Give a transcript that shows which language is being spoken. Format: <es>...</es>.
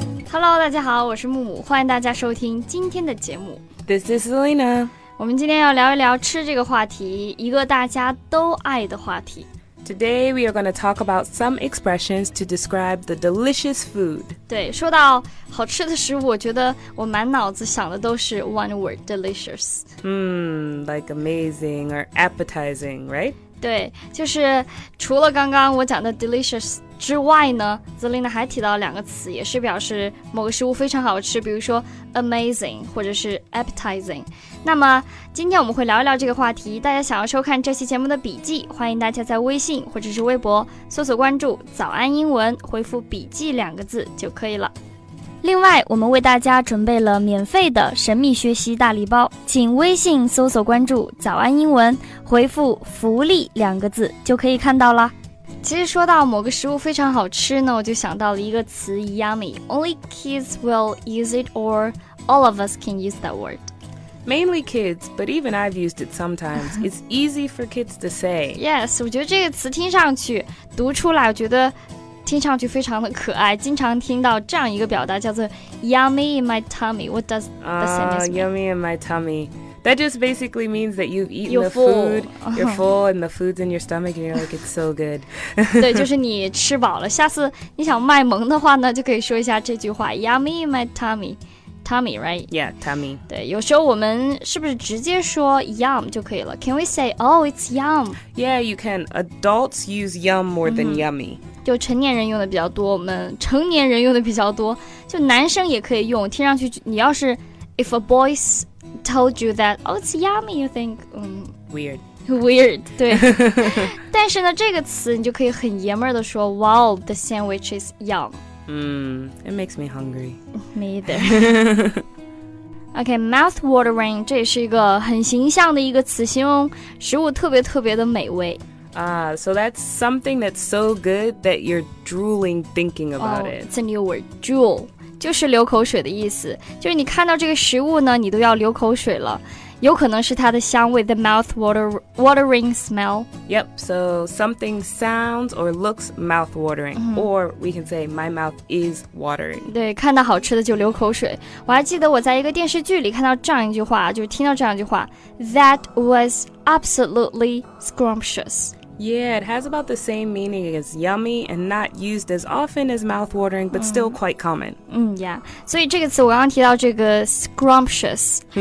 <zh>Hello, 大家好，我是木木，欢迎大家收听今天的节目。</zh> <en>This is Selena.</en> <zh>我们今天要聊一聊吃这个话题，一个大家都爱的话题。</zh> <en>Today, we are going to talk about some expressions to describe the delicious food.</en> <zh>对，说到好吃的食物，我觉得我满脑子想的都是</zh> <en>one word, delicious. Like amazing or appetizing, right?</en> <zh>对，就是除了刚刚我讲的 delicious之外呢 Zelina 还提到两个词也是表示某个食物非常好吃比如说 amazing 或者是 appetizing 那么今天我们会聊一聊这个话题大家想要收看这期节目的笔记欢迎大家在微信或者是微博搜索关注早安英文回复笔记两个字就可以了另外我们为大家准备了免费的神秘学习大礼包请微信搜索关注早安英文回复福利两个字就可以看到了其实说到某个食物非常好吃呢我就想到了一个词 yummy</zh> <en>Only kids will use it or all of us can use that word Mainly kids, but even I've used it sometimes It's easy for kids to say</en> <zh>Yes, 我觉得这个词听上去读出来我觉得听上去非常的可爱经常听到这样一个表达叫做 yummy in my tummy</zh> <en>What does the sentence mean? Yummy in my tummy That just basically means that you've eaten the food, you're full, and the food's in your stomach, and you're like, it's so good.</en> <zh>对，就是你吃饱了。下次你想卖萌的话呢，就可以说一下这句话 ，</zh> <en>Yummy in my tummy, tummy, right? Yeah, tummy.</en> <zh>对，有时候我们是不是直接说 yum 就可以了 ？</zh> <en>Can we say, oh, it's yum? Yeah, you can. Adults use yum more than yummy.</en> <zh>就成年人用的比较多，我们成年人用的比较多，就男生也可以用。听上去，你要是</zh> <en>if a boy's told you that, oh, it's yummy, you think, Weird. Weird, 对。</en> <zh>但是呢这个词你就可以很爷们儿地说</zh> <en>wow, the sandwich is yum. It makes me hungry. Me either.</en> <zh>okay, mouth-watering, 这也是一个很形象的一个词形容食物特别特别的美味。</zh> <en>So that's something that's so good that you're drooling thinking about it. It's a new word, drool.</en> <zh>就是流口水的意思就是你看到这个食物呢你都要流口水了有可能是它的香味</zh> <en>the mouth watering smell Yep, so something sounds or looks mouth watering or we can say my mouth is watering</en> <zh>对看到好吃的就流口水我还记得我在一个电视剧里看到这样一句话就是听到这样一句话</zh> <en>That was absolutely scrumptious Yeah, it has about the same meaning as yummy and not used as often as mouth-watering, but still quite common. Yeah.</en> <zh>所以这个词我刚刚提到这个 scrumptious.</zh>